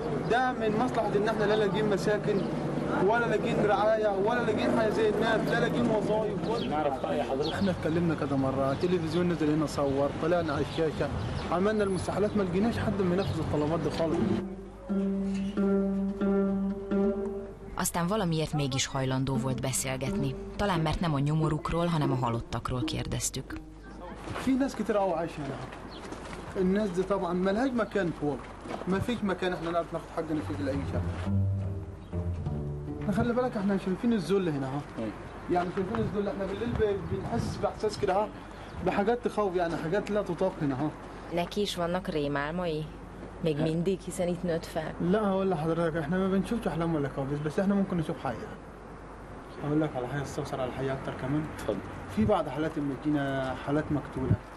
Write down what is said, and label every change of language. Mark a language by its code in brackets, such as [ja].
[ar] ده من مصلحه ان احنا لا لاقيين مساكن ولا لاقيين رعايه ولا لاقيين حاجه زي الناس لا لاقيين وظايف. نعرف راي حضرتك. احنا اتكلمنا كذا مره. التلفزيون نزل هنا صور. طلعنا على الشاشه. عملنا المستحيلات ما لقيناش حد منفذ الطلبات دي خالص. [hu] Aztán valamiért mégis hajlandó volt beszélgetni. Talán mert nem a nyomorukról, hanem a halottakról kérdeztük. [ar] في ناس كتير قوي عايشين هنا. الناس دي طبعا ما لهاش مكان فوق. ما فيش مكان احنا نعرف ناخد حقنا فيه في العيشه. خلي بالك احنا شايفين الذل هنا ها. يعني شايفين الذل. احنا بالليل بنحس باحساس كده ها بحاجات تخوف يعني حاجات لا تطاق هنا ها. [hu] نكيش vannak rémálmai még mindig hiszen itt nőtt fel. [ar] لا اقول لحضرتك احنا ما بنشوفش احلام ولا كوابيس بس احنا ممكن نشوف حقيقة. اقول لك على حاجه استفسر على الحقيقه اكتر كمان. اتفضل. في بعض حالات المدينة حالات مقتوله.